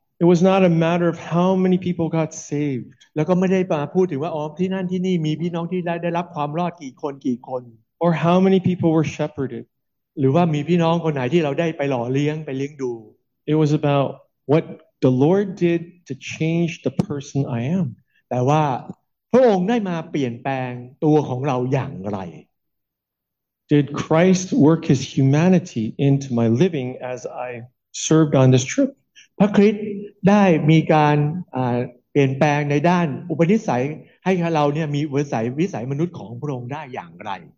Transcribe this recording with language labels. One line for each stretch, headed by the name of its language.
English: It was not a matter of how many people got saved
Thai: แล้วก็ไม่ได้มาพูดถึงว่าอ๋อที่นั่นที่นี่มีพี่น้องที่ได้รับความรอดกี่คนกี่คน
English: or how many people were shepherded
Thai: หรือว่ามีพี่น้องคนไหนที่เราได้ไปหล่อเลี้ยงไปเลี้ยงดู
English: It was about what the Lord did to change the person I am
Thai: แต่ว่าพระองค์ได้มาเปลี่ยนแปลงตัวของเราอย่างไร
English: Did Christ work his humanity into my living as I served on this trip
Thai: พระคริสต์ได้มีการเปลี่ยนแปลงในด้านอุปนิสัยให้เราเนี่ยมีวิสัยมนุษย์ของพระองค์ได้อย่างไร